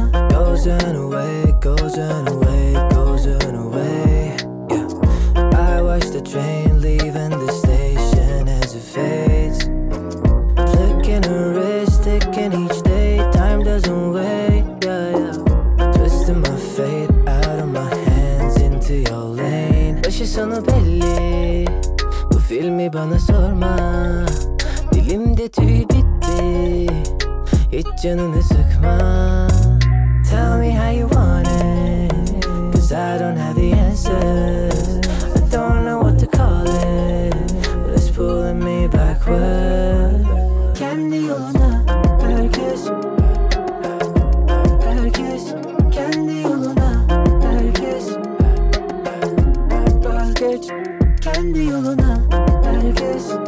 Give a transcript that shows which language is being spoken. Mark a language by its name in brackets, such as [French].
[English] Goes on away, goes on away, goes on away. Yeah. I watch the train leaving the station as it fades. Flicking her wrist, ticking each day, time doesn't wait. Yeah, yeah. Twisting my fate out of my hands into your lane. [Turkish] Başı sonu belli, bu filmi bana sorma. Dilimde tüy bitti, hiç canını sıkma. [English] Tell me how you want it, 'cause I don't have the answers. I don't know what to call it, but it's pulling me backwards. [Turkish] Kendi yoluna herkes, herkes kendi yoluna herkes. Vazgeç kendi yoluna herkes.